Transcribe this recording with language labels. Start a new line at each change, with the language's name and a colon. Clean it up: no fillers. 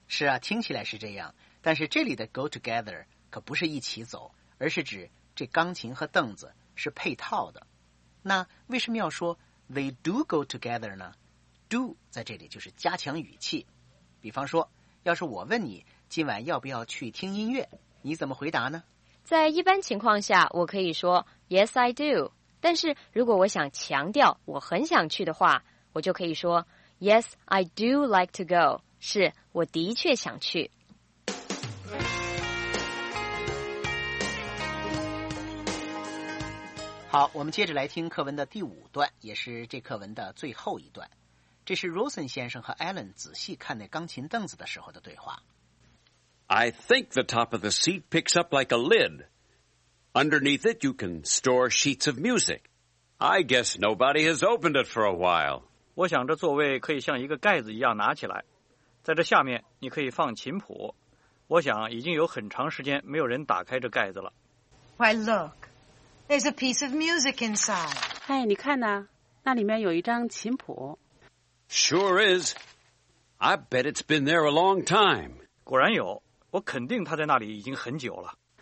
Chinese: 是啊，听起来是这样，但是这里的 go together 可不是一起走，而是指这钢琴和凳子是配套的。那为什么要说
English: They do go together
Chinese: 呢？ Do 在这里就是加强语气。比方说，要是我问你今晚要不要去听音乐，你怎么回答呢？在一般情况下我可以说
English: Yes, I do，
Chinese: 但是如果我想强调我很想去的话，我就可以说
English: Yes, I do like to go，
Chinese: 是我的确想去。好，我们接着来听课文的第五段，也是这课文的最后一段。这是 Rosen 先生和 Alan 仔细看那钢琴凳子的时候的对话。
English: I think the top of the seat picks up like a lid. Underneath it, you can store sheets of music. I guess nobody has opened it for a while.
Chinese: 我想这座位可以像一个盖子一样拿起来。在这下面，你可以放琴谱。我想已经有很长时间没有人打开这盖子了。
English: Why, look. There's a piece of music inside.
Chinese: 哎，你看呢？那里面有一张琴谱。
English: Sure is. I bet it's been there a long time.
Chinese: 果然有，我肯定他在那里已经很久了。